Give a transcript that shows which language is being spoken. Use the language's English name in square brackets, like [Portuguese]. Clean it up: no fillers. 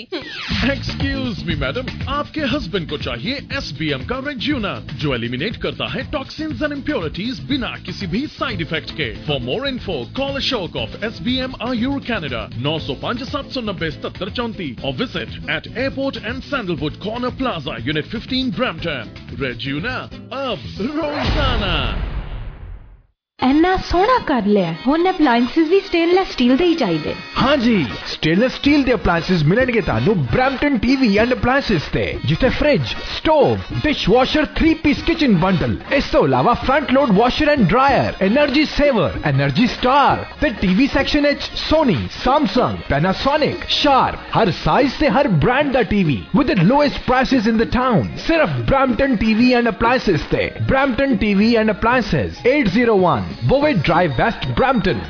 [English] excuse me madam, [Hindi] आपके husband को चाहिए SBM का रेजुना, जो एलिमिनेट करता है [English] toxins and impurities [Hindi] बिना किसी भी साइड इफेक्ट के. [English] For more info call Ashok of SBM Ayur Canada 905-790-7734 और visit at airport and sandalwood corner plaza unit 15 Brampton. [Hindi] रेजुना अब रोजाना. [Punjabi] ਇੰਨਾ ਸੋਹਣਾ ਕਰ ਲਿਆ, ਹੁਣ ਅਪਲਾਈਂਸਿਸ ਵੀ ਸਟੇਨਲੈਸ ਸਟੀਲ ਦੇ ਹੀ ਚਾਹੀਦੇ. ਹਾਂਜੀ, ਸਟੇਨਲੈਸ ਸਟੀਲ ਦੇ ਅਪਲਾਈਂਸਿਸ ਮਿਲਣਗੇ ਤੁਹਾਨੂੰ ਬ੍ਰੈਂਪਟਨ ਟੀਵੀ ਐਂਡ ਅਪਲਾਈਂਸਿਸ ਤੇ, ਜਿੱਥੇ fridge, stove, dishwasher, 3-ਪੀਸ kitchen bundle, ਇਸ ਤੋਂ ਇਲਾਵਾ front load washer and dryer, energy saver, energy star ਤੇ ਟੀਵੀ ਸੈਕਸ਼ਨ ਵਿੱਚ ਸੋਨੀ, ਸੈਮਸੰਗ, ਪੈਨਾਸੋਨਿਕ, ਸ਼ਾਰਪ, ਹਰ ਸਾਈਜ਼ ਤੇ ਹਰ brand ਦਾ TV [English] with lowest prices in the town, [Punjabi] ਸਿਰਫ Brampton TV and ਅਪਲਾਈਂਸਿਸ ਤੇ. Brampton TV and ਅਪਲਾਈਂਸਿਸ, 801 Bowie Drive West, Brampton.